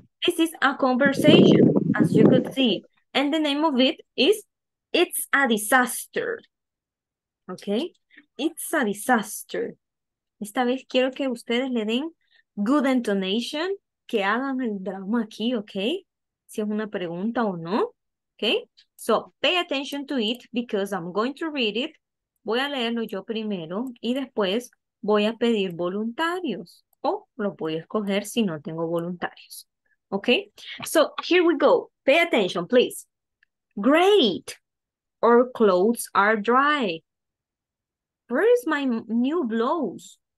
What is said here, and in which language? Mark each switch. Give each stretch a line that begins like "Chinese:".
English: This is a conversation, as you could see. And the name of it is, it's a disaster. Okay? It's a disaster.
Spanish: Esta vez quiero que ustedes le den good intonation, que hagan el drama aquí, okay? Si es una pregunta o no, okay?
English: So, pay attention to it because I'm going to read it.
Spanish: Voy a leerlo yo primero y después voy a pedir voluntarios. O lo voy a escoger si no tengo voluntarios, okay?
English: So, here we go. Pay attention, please. Great. Our clothes are dry. Where is my new blouse?